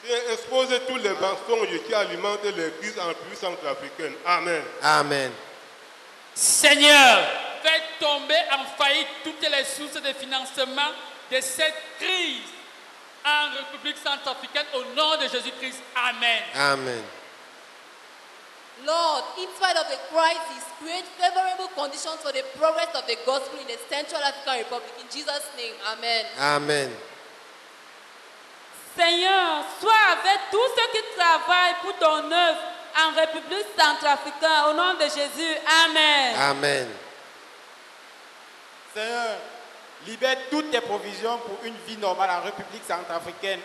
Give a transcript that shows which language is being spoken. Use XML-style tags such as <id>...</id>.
<fr>Exposer tous les mensonges qui alimentent l'église en République centrafricaine. Amen. Amen. Seigneur, fais tomber en faillite toutes les sources de financement de cette crise en République centrafricaine au nom de Jésus-Christ. Amen. Amen.</fr> <en>Lord, in spite of the crisis, create favorable conditions for the progress of the gospel in the Central African Republic. In Jesus' name, amen. Amen.</en> <fr>Seigneur, sois avec tous ceux qui travaillent pour ton œuvre en République centrafricaine, au nom de Jésus. Amen. Amen. Seigneur, libère toutes tes provisions pour une vie normale en République centrafricaine.</fr>